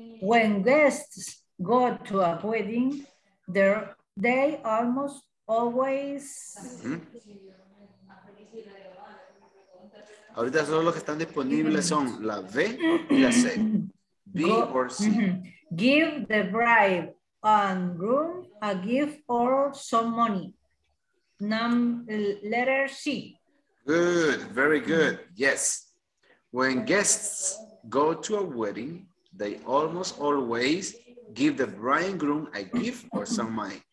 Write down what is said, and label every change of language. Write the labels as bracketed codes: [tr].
[en] When guests go to a wedding, they almost always... [es] Ahorita solo los que están disponibles son la B y la C. [en] B or C. Give the bride and groom a gift or some money. Letter C. Good, very good. Yes. When guests go to a wedding, they almost always give the bride and groom a gift or some money.